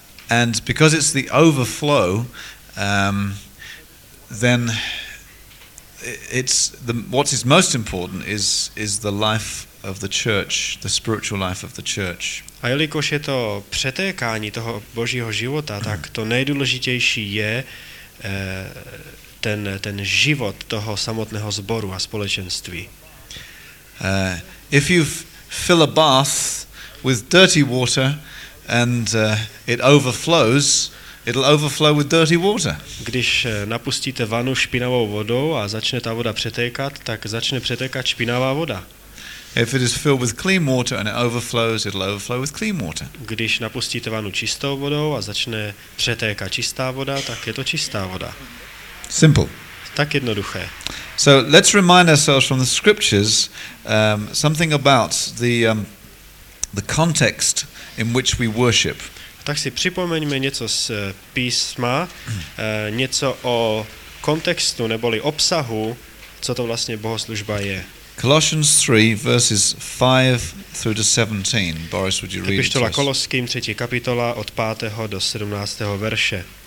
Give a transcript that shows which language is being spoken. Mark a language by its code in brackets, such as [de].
[en] And because it's the overflow, then it's the what is most important is the life of the church, the spiritual life of the church. [cs] A jelikož je to přetékání toho Božího života, tak to nejdůležitější je ten život toho samotného sboru a společenství. [en] If you fill a bath with dirty water and it overflows, it'll overflow with dirty water. [cs] Když napustíte vanu špinavou vodou a začne ta voda přetékat, tak začne přetékat špinavá voda. [en] If it is filled with clean water and it overflows, it'll overflow with clean water. [cs] Když napustíte vanu čistou vodou a začne přetékat čistá voda, tak je to čistá voda. [en] Simple. [cs] Tak jednoduché. [en] So let's remind ourselves from the scriptures something about the context in which we worship. [cs] Tak si připomeňme něco z písma, něco o kontextu neboli obsahu, co to vlastně bohoslužba je. [en] Colossians 3 verses 5-17. Boris, would you read it? [cs] Epištola Koloským, 3. kapitola od 5. do 17. verše.